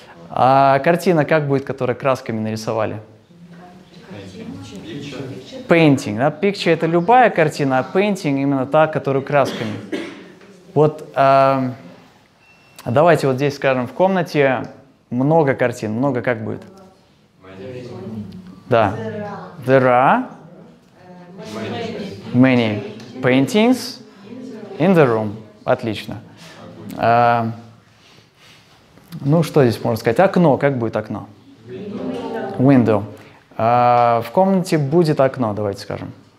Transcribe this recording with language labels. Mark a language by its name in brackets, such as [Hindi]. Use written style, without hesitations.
[Russian] А картина как будет, которую красками нарисовали? [English] Painting. [Russian] Да? Picture — это любая картина, а painting — именно та, которую красками. Вот давайте вот здесь скажем, в комнате много картин. Много как будет? Да. [English] There are many paintings in the room. [Russian] Отлично. Ну, что здесь можно сказать? Окно. Как будет окно? [English] Window. [Russian] В комнате будет окно, давайте скажем.